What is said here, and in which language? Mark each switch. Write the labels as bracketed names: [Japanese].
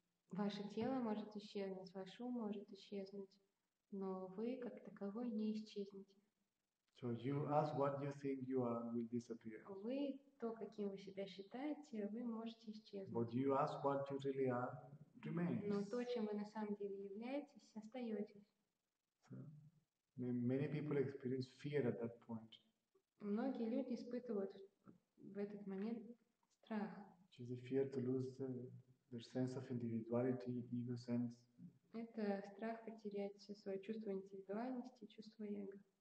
[Russian] Ваше тело может исчезнуть, ваш ум может исчезнуть. Но вы, как таковой, не исчезнете. [English] So you ask what you think you are will disappear. [Russian] Вы, то, каким вы себя считаете, вы можете исчезнуть. [English] But you ask what you really are remains. [Russian] Но то, чем вы на самом деле являетесь, остаетесь. [English] So, many people experience fear at that point. [Russian] Многие люди испытывают в этот момент страх. [English] Which is the fear to lose their sense of individuality, ego sense. [Russian] Это страх потерять все свое чувство индивидуальности, чувство эго.